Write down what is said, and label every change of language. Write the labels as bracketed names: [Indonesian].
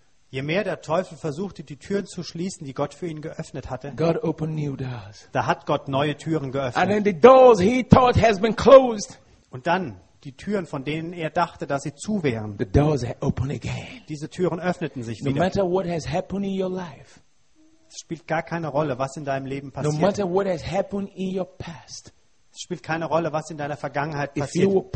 [German] Je mehr der Teufel versuchte, die Türen zu schließen, die Gott für ihn geöffnet hatte, [English] God opened new doors. [German] Da hat Gott neue Türen geöffnet. [English] And then the doors he thought has been closed. [German] Und dann die Türen, von denen er dachte, dass sie zu wären. [English] The doors are open again. [German] Diese Türen öffneten sich [English] no [German] wieder. [English] No matter what has happened in your life. [German] Es spielt gar keine Rolle, was in deinem Leben passiert. [English] No matter what has happened in your past. [German] Es spielt keine Rolle, was in deiner Vergangenheit passiert.